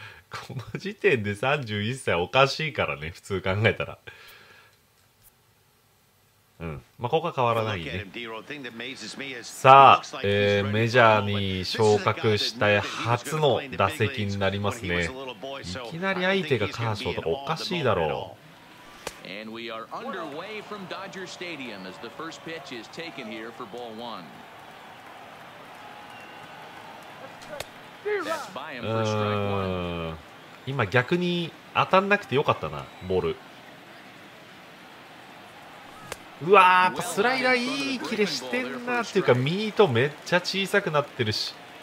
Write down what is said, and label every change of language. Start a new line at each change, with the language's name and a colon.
Japanese: この時点で31歳おかしいからね普通考えたら。うん、まあここは変わらないね。さあ、メジャーに昇格した初の打席になりますね。いきなり相手がカーショーとかおかしいだろう。
English: And we are underway from Dodger Stadium as the first pitch is taken here for ball one. That's by him for strike one.
Japanese: 今逆に当たんなくてよかったなボール。うわー、やっぱスライダーいいキレしてんなっていうか、ミートめっちゃ小さくなってるし。